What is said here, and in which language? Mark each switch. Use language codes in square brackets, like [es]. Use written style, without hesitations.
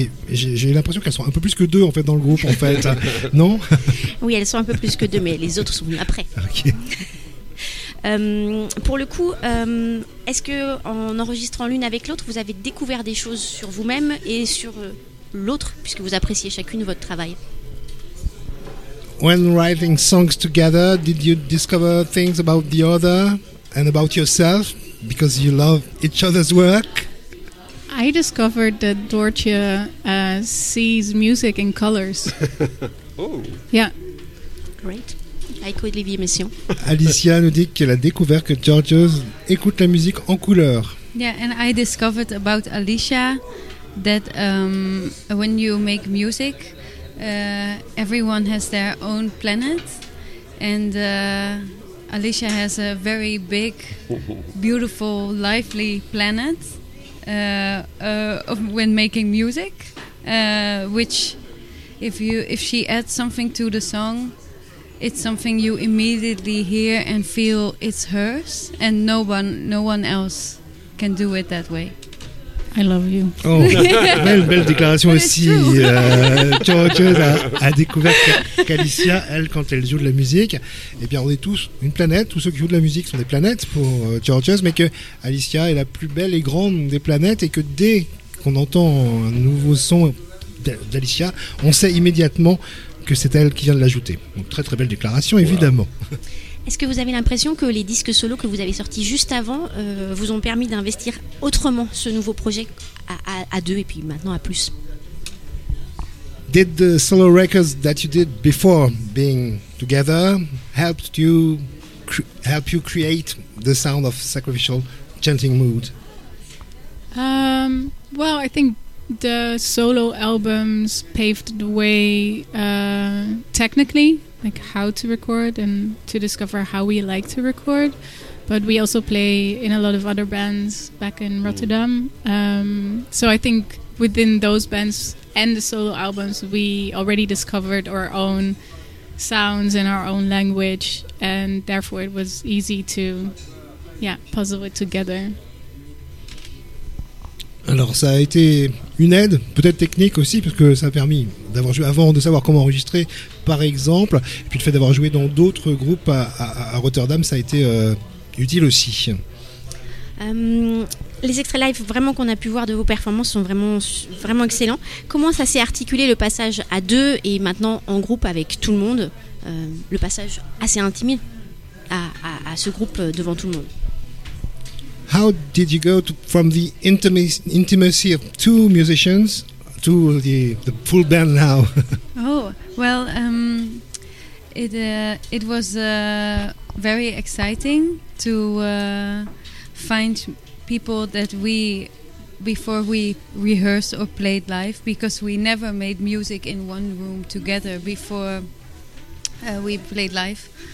[fr] J'ai l'impression qu'elles sont un peu plus que deux en fait dans le groupe en fait, non? Oui, elles sont un peu plus que deux, mais les autres sont venues après. [en] Okay. [fr] Pour le coup, est-ce que en enregistrant l'une avec l'autre, vous avez découvert des choses sur vous-même et sur l'autre, puisque vous appréciez chacune votre travail? [en] When writing songs together, did you discover things about the other and about yourself because you love each other's work? I discovered that Dortje sees music in colors. Oh. Yeah. Great. I could leave the mission. [fr] Alicia nous dit qu'elle a découvert que Dortje écoute la musique en couleur. [en] Yeah, and I discovered about Alicia that when you make music, everyone has their own planet, and Alicia has a very big, beautiful, lively planet when making music, which if she adds something to the song, it's something you immediately hear and feel it's hers, and no one else can do it that way. I love you. [fr] Oh, belle déclaration aussi. Chorocheuse a découvert qu'Alicia, elle, quand elle joue de la musique, eh bien, on est tous une planète. Tous ceux qui jouent de la musique sont des planètes pour Chorocheuse, mais que Alicia est la plus belle et grande des planètes, et que dès qu'on entend un nouveau son d'Alicia, on sait immédiatement que c'est elle qui vient de l'ajouter. Donc, très très belle déclaration, évidemment. Wow. Est-ce que vous avez l'impression que les disques solo que vous avez sortis juste avant vous ont permis d'investir autrement ce nouveau projet à deux et puis maintenant à plus? [en] Did the solo records that you did before being together help you create the sound of Sacrificial Chanting Mood? Well, I think the solo albums paved the way technically. Like how to record and to discover how we like to record, but we also play in a lot of other bands back in Rotterdam. So I think within those bands and the solo albums, we already discovered our own sounds and our own language, and therefore it was easy to, puzzle it together. [fr] Alors ça a été une aide, peut-être technique aussi, parce que ça a permis d'avoir joué avant, de savoir comment enregistrer par exemple, et puis le fait d'avoir joué dans d'autres groupes à Rotterdam, ça a été utile aussi. Les extraits live vraiment qu'on a pu voir de vos performances sont vraiment, vraiment excellents. Comment ça s'est articulé le passage à deux et maintenant en groupe avec tout le monde, le passage assez intime à ce groupe devant tout le monde? [en] How did you go from the intimacy of two musicians to the full band now? Oh, well, it was very exciting to find people that we, before we rehearsed or played live, because we never made music in one room together before we played live.